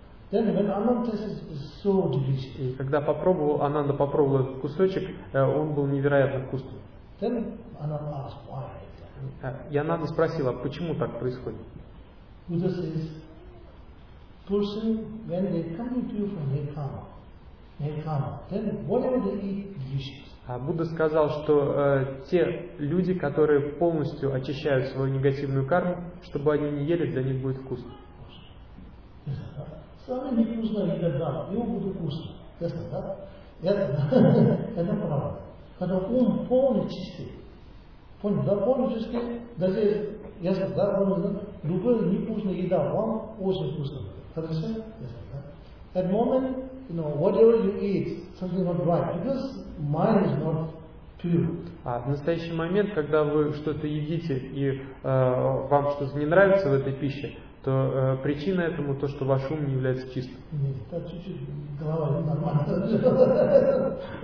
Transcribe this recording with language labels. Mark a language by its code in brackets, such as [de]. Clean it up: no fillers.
[ru] И когда попробовал, Ананда попробовал этот кусочек, он был невероятно вкусным. [en] Then Ananda asked why. [ru] И Ананда спросила, почему так происходит? [en] Buddha says, person, when they come to you from Nirvana, then whatever they eat, delicious. [ru] А Будда сказал, что те люди, которые полностью очищают свою негативную карму, чтобы они не ели, для них будет вкусно. Самое невкусное еда, да, его будет вкусно. Это правда. Когда ум полный чистый, понял, да, полностью, даже ясно, да, полностью, любая невкусная еда вам очень вкусная. Хорошо? [en] At the moment, you know, whatever you eat, something not right, because mind is not pure. [ru] А в настоящий момент, когда вы что-то едите и вам что-то не нравится в этой пище, то причина этому то, что ваш ум не является чистым. Нет, это чуть-чуть голова ненормальная.